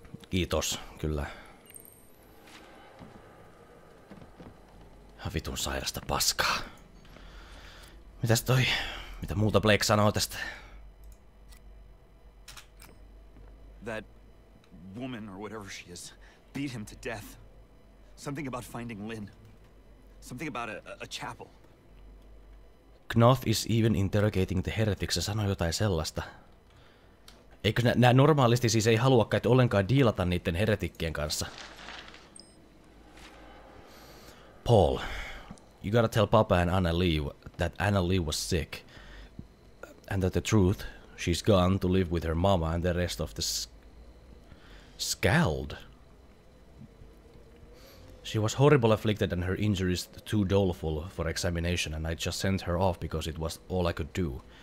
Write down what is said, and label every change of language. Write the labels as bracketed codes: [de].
[fi] Kiitos, kyllä. Vitun sairasta paskaa. Mitäs toi? Mitä muuta Blake sanoo tästä? [en] That woman or whatever she is beat him to death. Something about finding Lynn. Something about a chapel. Knoth is even interrogating the heretics. [fi] Se sanoi jotain sellaista. Eikö nää normaalisti siis ei halua kai ollenkaan diilata niitten heretikkien kanssa. [en] Paul, you gotta tell Papa and Anna Lee that Anna Lee was sick. And that the truth, she's gone to live with her mama and the rest of the Scald. She was horrible afflicted and her injuries too doleful for examination and I just sent her off because it was all I could do.